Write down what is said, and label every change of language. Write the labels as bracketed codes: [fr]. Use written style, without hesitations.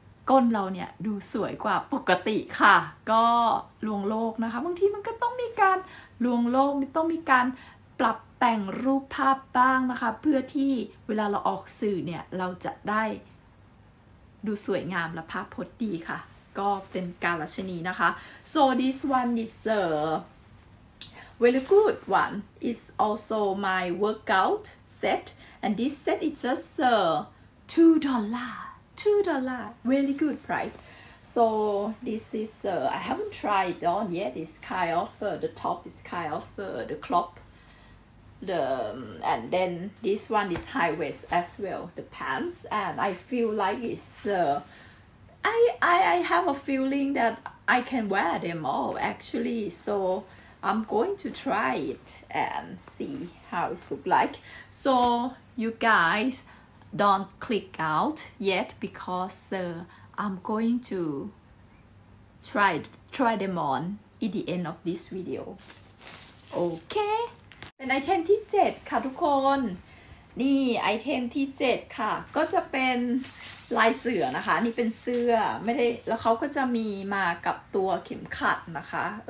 [th] ก้นเราเนี่ยดูสวยกว่าปกติค่ะก็ลวงโลกนะคะบางทีมันก็ต้องมีการลวงโลกต้องมีการปรับแต่งรูปภาพบ้างนะคะเพื่อที่เวลาเราออกสื่อเนี่ยเราจะได้ดูสวยงามและภาพพจน์ดีค่ะ ก็เป็นการัชนีนะคะ [en] so this one is a very good one it's also my workout set and this set is just $2 really good priceSo this is, I haven't tried it on yet, it's kind of, the top is kind of the crop. And then this one is high waist as well, the pants. And I feel like it's, I have a feeling that I can wear them all actually. So I'm going to try it and see how it looks like. So you guys don't click out yet because, I'm going to try them on at the end of this video [th] โอเคเป็นไอเทมที่7ค่ะทุกคนนี่ไอเทมที่7ค่ะก็จะเป็นลายเสือนะคะนี่เป็นเสื้อไม่ได้แล้วเขาก็จะมีมากับตัวเข็มขัดนะคะ